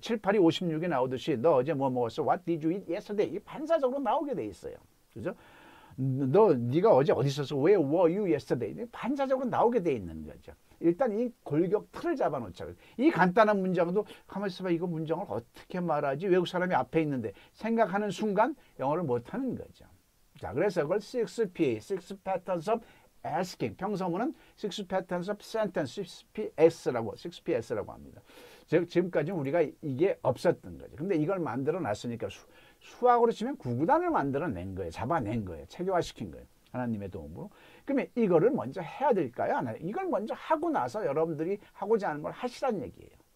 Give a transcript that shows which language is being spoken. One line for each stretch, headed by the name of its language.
Korean: 7, 8, 2, 56에 나오듯이 너 어제 뭐 먹었어?
English: What did you eat yesterday?
Korean: 이게 반사적으로 나오게 돼 있어요. 그죠? 너 네가 어제 어디 있었어?
English: Where were you yesterday?
Korean: 이게 반사적으로 나오게 돼 있는 거죠. 일단 이 골격 틀을 잡아놓자. 이 간단한 문장도 가만 있어봐. 이거 문장을 어떻게 말하지? 외국 사람이 앞에 있는데 생각하는 순간 영어를 못하는 거죠. 자, 그래서 그걸 6PA, Six Patterns of Asking. 평소문은 Six Patterns of Sentence, SPS라고, SPS라고 합니다. 즉, 지금까지 우리가 이게 없었던 거죠. 근데 이걸 만들어 놨으니까 수학으로 치면 구구단을 만들어 낸 거예요. 잡아낸 거예요. 체계화시킨 거예요. 하나님의 도움으로. 그러면 이거를 먼저 해야 될까요? 안 해요? 이걸 먼저 하고 나서 여러분들이 하고자 하는 걸 하시란 얘기예요.